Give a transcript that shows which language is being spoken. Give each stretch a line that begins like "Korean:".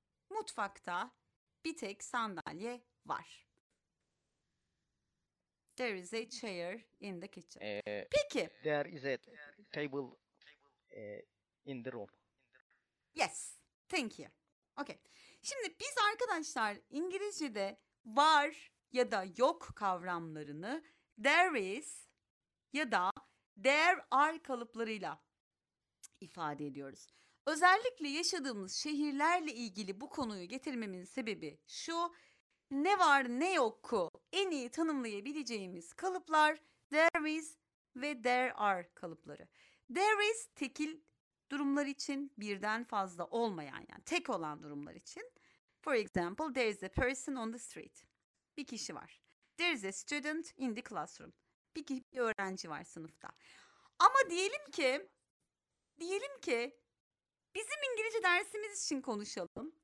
Turkish: Mutfakta bir tek sandalye var.
English: There is a chair in the kitchen.
Turkish: Peki.
English: There is a table in the room. Yes. Thank you. Okay.
Turkish: Şimdi biz arkadaşlar İngilizce'de var ya da yok kavramlarını there is ya da there are kalıplarıyla ifade ediyoruz. Özellikle yaşadığımız şehirlerle ilgili bu konuyu getirmemin sebebi şu. Ne var ne yok'u en iyi tanımlayabileceğimiz kalıplar there is ve there are kalıpları. There is tekil durumlar için, birden fazla olmayan, yani tek olan durumlar için.
English: For example, there is a person on the street.
Turkish: Bir kişi var.
English: There is a student in the classroom.
Turkish: Bir öğrenci var sınıfta. Ama diyelim ki bizim İngilizce dersimiz için konuşalım.